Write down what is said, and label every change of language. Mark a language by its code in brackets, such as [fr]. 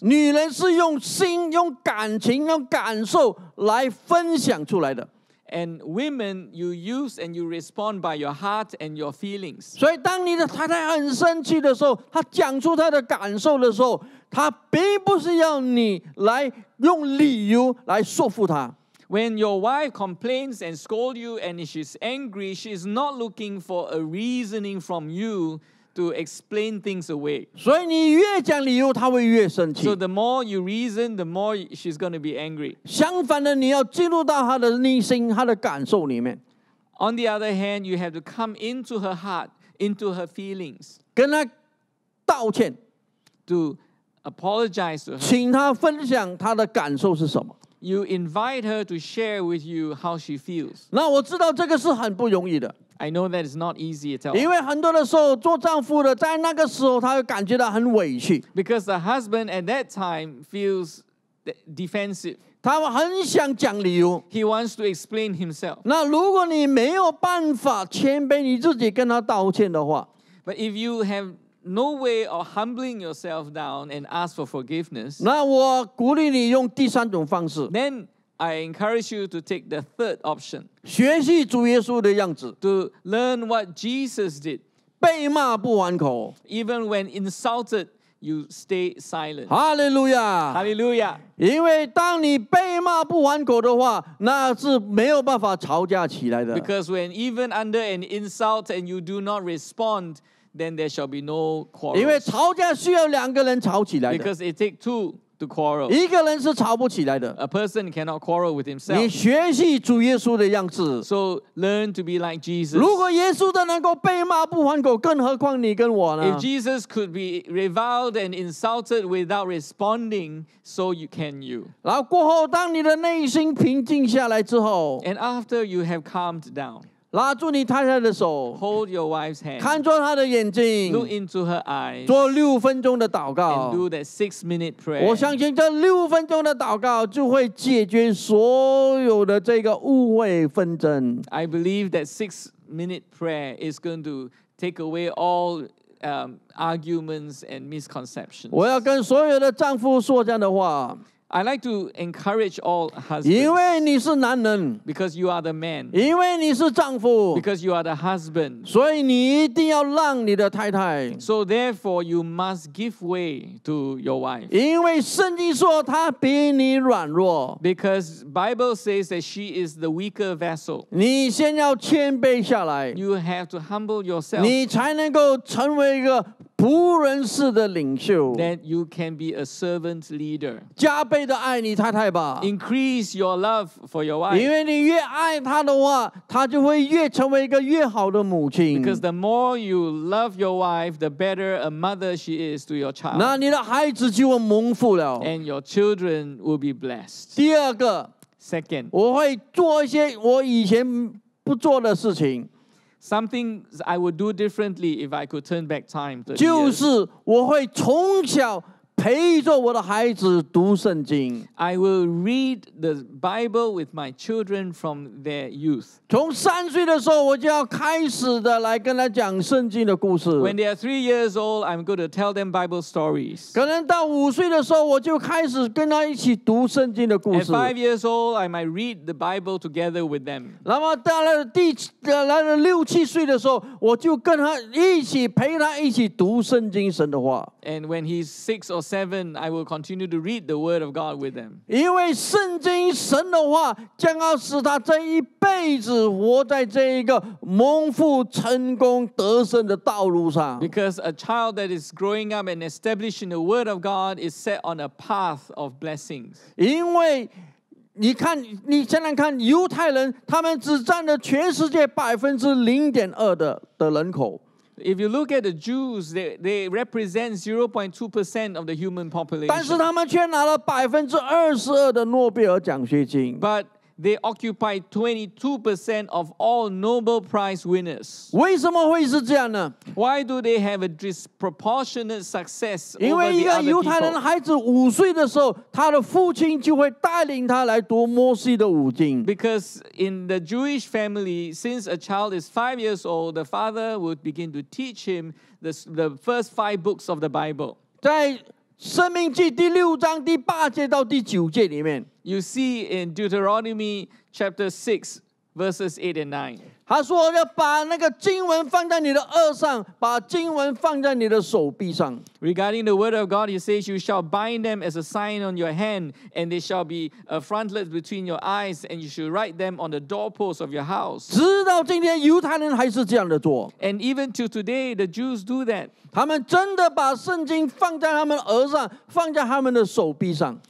[zh] 女人是用心，用感情，用感受来分享出来的。 [en] And women, you use and you respond by your heart and your feelings. [zh] 所以当你的太太很生气的时候，她讲出她的感受的时候，她并不是要你来用理由来说服她。 [en] When your wife complains and scolds you and she's angry, she's not looking for a reasoning from you to explain things away. [zh] 所以你越讲理由，她会越生气。 [en] So the more you reason, the more she's going to be angry. [zh] 相反的，你要进入到她的内心，她的感受里面。 [en] On the other hand, you have to come into her heart, into her feelings. [zh] 跟她道歉。 [en] To apologize to her. [zh] 请她分享她的感受是什么。 [en] You invite her to share with you how she feels. [zh] 那我知道这个是很不容易的。 [en] I know that it's not easy at all. [zh] 因为很多的时候，做丈夫的在那个时候，他会感觉到很委屈。 [en] Because the husband at that time feels defensive. [zh] 他很想讲理由。 [en] He wants to explain himself. [zh] 那如果你没有办法谦卑你自己跟他道歉的话， [en] But if you have no way of humbling yourself down and ask for forgiveness, [zh] 那我鼓励你用第三种方式。 [en] Then,I encourage you to take the third option. [zh] 学习主耶稣的样子。 [en] To learn what Jesus did. [zh] 被骂不还口。 [en] Even when insulted, you stay silent. Hallelujah! Hallelujah! [zh] 因为当你被骂不还口的话，那是没有办法吵架起来的。 [en] Because when even under an insult and you do not respond, then there shall be no quarrel. [zh] 因为吵架需要两个人吵起来的。 [en] Because it takes two. To quarrel. [zh] 一个人是吵不起来的。 [en] A person cannot quarrel with himself. [zh] 你学习主耶稣的样子。 [en] So learn to be like Jesus. [zh] 如果耶稣都能够被骂不还口，更何况你跟我呢？ [en] If Jesus could be reviled and insulted without responding, so you can you. [zh] 然后过后，当你的内心平静下来之后， [en] And after you have calmed down. [zh] 拉住你太太的手 [en] ，Hold your wife's hand， [zh] 看住她的眼睛 [en] ，Look into her eyes， [zh] 做六分钟的祷告 [en] ，And do that six-minute prayer。 [zh] 我相信这六分钟的祷告就会解决所有的这个误会纷争。 [en] I believe that six-minute prayer is going to take away all arguments and misconceptions。 [zh] 我要跟所有的丈夫说这样的话。 [en] I like to encourage all husbands. [zh] 因为你是男人 [en] because you are the man. [zh] 因为你是丈夫 [en] because you are the husband. [zh] 所以你一定要让你的太太 [en] So therefore, you must give way to your wife. [zh] 因为圣经说她比你软弱 [en] because Bible says that she is the weaker vessel. [zh] 你先要谦卑下来 [en] You have to humble yourself. [zh] 你才能够成为一个仆人式的领袖 [en] that you can be a servant leader [zh] 加倍的爱你太太吧 [en] increase your love for your wife [zh] 因为你越爱她的话她就会越成为一个越好的母亲 [en] because the more you love your wife the better a mother she is to your child [zh] 那你的孩子就会蒙福了 [en] and your children will be blessed [zh] 第二个 [en] second [zh] 我会做一些我以前不做的事情 [en] Something I would do differently if I could turn back time. [zh] 就是我会从小陪着我的孩子读圣经。 [en] I will read the Bible with my children from their youth. [zh] 从三岁的时候，我就要开始的来跟他讲圣经的故事。 [en] When they are 3 years old, I'm going to tell them Bible stories. [zh] 可能到五岁的时候，我就开始跟他一起读圣经的故事。 [en] At 5 years old, I might read the Bible together with them. [zh] 那么到了六七岁的时候，我就跟他一起陪他一起读圣经神的话。 [en] And when he's 6 or 7, I will continue to read the Word of God with them. [zh] 因为圣经神的话将要使他这一辈子活在这一个蒙福成功得胜的道路上。 [en] Because a child that is growing up and establishing the Word of God is set on a path of blessings. [zh] 因为你看，你想想看，犹太人他们只占了全世界0.2%的人口。 [en] If you look at the Jews, they represent 0.2% of the human population. [zh] 但是他们却拿了22%的诺贝尔奖学金。 [en] But they occupy 22% of all Nobel Prize winners. [zh] 为什么会是这样呢？ [en] Why do they have a disproportionate success over the other people? [zh] 因为一个犹太人孩子五岁的时候，他的父亲就会带领他来读摩西的五经。 [en] Because in the Jewish family, since a child is 5 years old, the father would begin to teach him the first 5 books of the Bible. [zh] 在生命记第六章第八节到第九节里面 [en] You see in Deuteronomy chapter 6 verses 8 and [zh] 9 他说要把那个经文放在你的额上把经文放在你的手臂上 [en] Regarding the word of God he says you shall bind them as a sign on your hand and they shall be a frontlet between your eyes and you shall write them on the doorposts of your house [zh] 直到今天犹太人还是这样的做 [en] And even to today the Jews do that [zh] 他们真的把圣经放在他们额上，放在他们的手臂上。